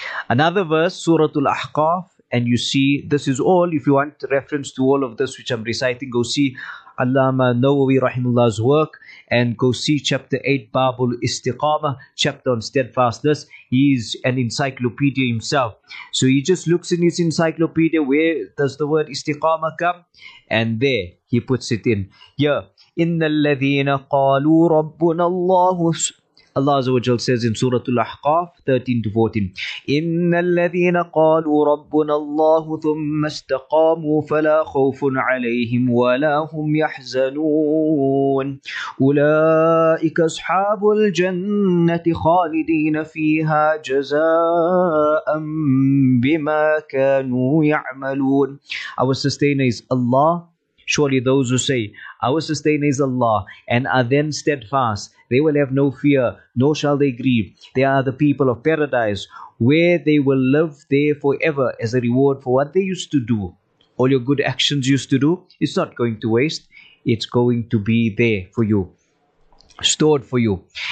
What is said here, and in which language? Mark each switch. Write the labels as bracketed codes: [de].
[en] Another verse, Surah Al-Ahqaf, and you see, this is all, if you want reference to all of this which I'm reciting, go see Allama Nawawi Rahimullah's work, and go see chapter 8, Babul Istiqamah, chapter on steadfastness. He is an encyclopedia himself. So he just looks in his encyclopedia, where does the word Istiqamah come? And there, he puts it in. [ar] Yeah, إِنَّ الَّذِينَ قَالُوا رَبُّنَ اللَّهُ. [en] Allah Azza wa Jal says in Surah Al-Ahqaf 13 to 14, [ar] إِنَّ الَّذِينَ قَالُوا رَبُّنَ اللَّهُ ثُمَّ اسْتَقَامُوا فَلَا خَوْفٌ عَلَيْهِمْ وَلَا هُمْ يَحْزَنُونَ أُولَئِكَ أَصْحَابُ الْجَنَّةِ خَالِدِينَ فِيهَا جَزَاءً بِمَا كَانُوا يَعْمَلُونَ. [en] Our sustainer is Allah. Surely those who say, our sustainer is Allah, and are then steadfast, they will have no fear, nor shall they grieve. They are the people of paradise, where they will live there forever as a reward for what they used to do. All your good actions used to do, it's not going to waste. It's going to be there for you, stored for you.